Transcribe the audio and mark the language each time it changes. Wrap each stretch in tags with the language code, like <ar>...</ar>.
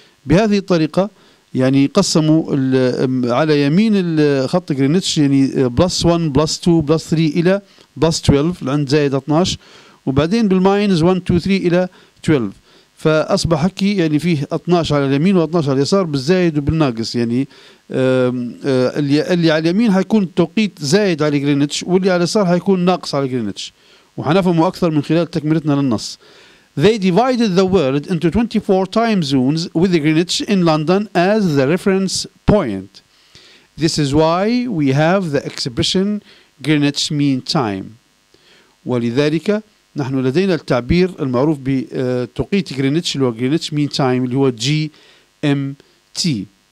<ar>بهذه الطريقة يعني قسموا على يمين الخط غرينتش يعني بلس 1 بلس 2 بلس 3 إلى بلس 12 عند زائد 12، وبعدين بالماينز 1 2 3 إلى 12، فأصبح حكي يعني فيه 12 على اليمين و12 على اليسار بالزائد وبالناقص، يعني اللي على اليمين حيكون توقيت زائد على غرينتش واللي على اليسار حيكون ناقص على غرينتش، وحنفهمه أكثر من خلال تكملتنا للنص.</ar> <en>They divided the world into 24 time zones with Greenwich in London as the reference point. This is why we have the expression Greenwich Mean Time.</en> <ar>ولذلك نحن لدينا التعبير المعروف بتوقيت غرينتش اللي هو Greenwich Mean Time اللي هو GMT.</ar>